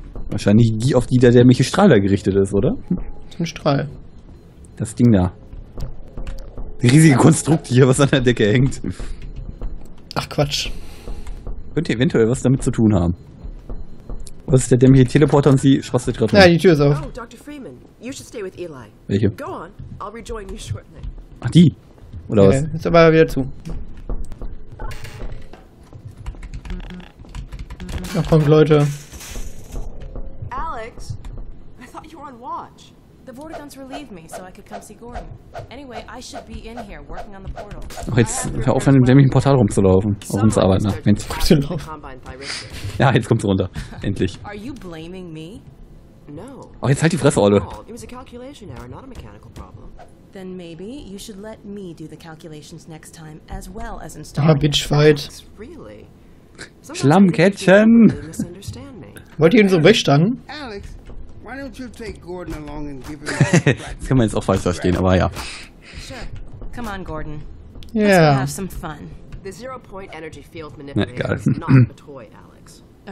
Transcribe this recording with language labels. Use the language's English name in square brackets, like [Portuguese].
[German] Wahrscheinlich die, auf die der dämliche Strahl da gerichtet ist, oder? Ein Strahl. Das Ding da. Die riesige Konstrukt hier, was an der Decke hängt. Ach, Quatsch. Könnte eventuell was damit zu tun haben. Was ist der dämliche Teleporter und sie schrostet gerade? Ja, die Tür ist auf. Oh, Dr. Freeman, [English] you should stay with Eli. Welche? Go on, I'll rejoin you shortly. [German] Ach, die? Oder was? Ist aber wieder zu. Ach, kommt, Leute. [English] Alex, I thought you were on watch. The Vortigons relieved me, so I could come see Gordon. Anyway, I should be in here working on the portal. [German] Ach, jetzt hör auf, an dem dämlichen Portal rumzulaufen. Auf uns arbeiten, ne? Wenn's gut gelaufen. Ja, jetzt kommt's runter. Endlich. [English] Are you blaming me? No. [German] Oh, jetzt halt die Fresse, Olle. [English] It was a calculation error, not a mechanical problem. Then maybe you should let me do the calculations next time as well as install. [German] Ah, Bitchfight. Really? Schlammkätzchen! Wollt ihr ihn so wegstangen? [English] Alex, why don't you take Gordon along and give him. [German] Das kann man jetzt auch falsch verstehen, aber ja. [English] Sure. Come on, Gordon. Yeah. Let's have some fun. The zero point energy field manipulator is not a toy, Alex.